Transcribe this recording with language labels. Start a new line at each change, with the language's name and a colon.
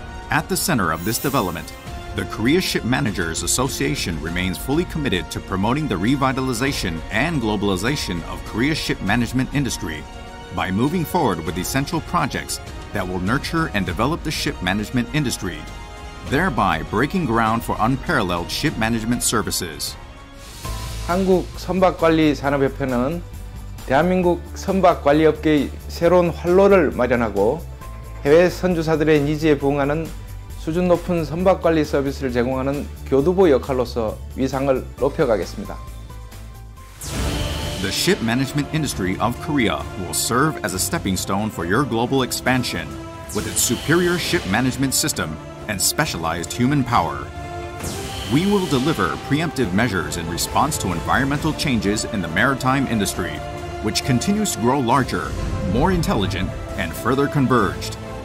English: At the center of this development, the Korea Ship Managers Association remains fully committed to promoting the revitalization and globalization of Korea ship management industry by moving forward with essential projects that will nurture and develop the ship management industry, thereby breaking ground for unparalleled ship management services.
Korean: 한국 선박관리산업협회는 대한민국 선박관리업계의 새로운 활로를 마련하고 해외 선주사들의 니즈에 부응하는 수준 높은 선박관리 서비스를 제공하는 교두보 역할로서 위상을 높여가겠습니다.
English: The ship management industry of Korea will serve as a stepping stone for your global expansion with its superior ship management system and specialized human power. We will deliver preemptive measures in response to environmental changes in the maritime industry, which continues to grow larger, more intelligent, and further converged.